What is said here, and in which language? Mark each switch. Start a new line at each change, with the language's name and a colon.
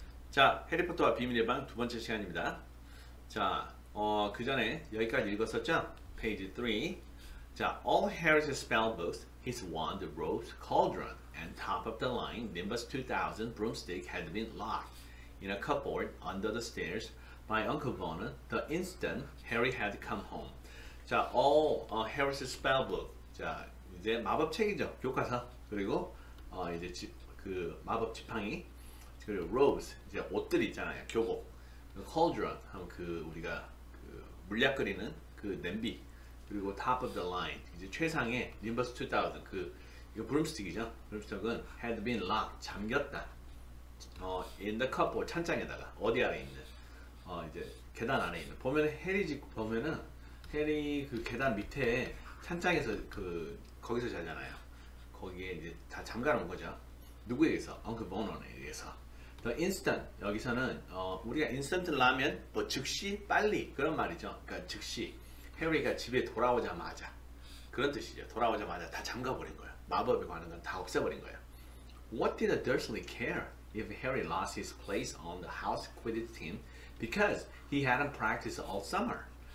Korean: 자, 해리포터와 비밀의 방두 번째 시간입니다. 자, 그 전에 여기까지 읽었었죠?
English: Page 3. 자, All Harry's spell books, his wand, ropes, cauldron, and top of the line Nimbus 2000 broomstick had been locked in a cupboard under the stairs by Uncle Vernon the instant Harry had come home.
Korean: 자,
English: All Harry's spell book.
Korean: 자, 이제 마법책이죠. 교과서. 그리고 이제 그 마법 지팡이. 그리고 robes, 이제 옷들 있잖아요, 교복. cauldron, 하면 그 우리가 그 물약거리는 그 냄비. 그리고
English: top of the line,
Korean: 이제 최상의 nimbus 2000, 그 이거 broomstick이죠.
English: broomstick은 had been locked,
Korean: 잠겼다.
English: in the cupboard,
Korean: 찬장에다가 어디 안에 있는? 이제 계단 안에 있는. 보면 해리 집 보면은 해리 그 계단 밑에 찬장에서 그 거기서 자잖아요. 거기에 이제 다 잠가놓은 거죠. 누구에게서? Uncle Vernon에 의해서.
English: The instant,
Korean: 여기서는 우리가 instant 라면 뭐 즉시 빨리 그런 말이죠. 그러니까 즉시 해리가 집에 돌아오자마자 그런 뜻이죠. 돌아오자마자 다 잠가버린 거예요. 마법에 관한 건다 없애버린 거예요.
English: What did Dursley care if Harry lost his place on the house Quidditch team because he hadn't practiced all summer?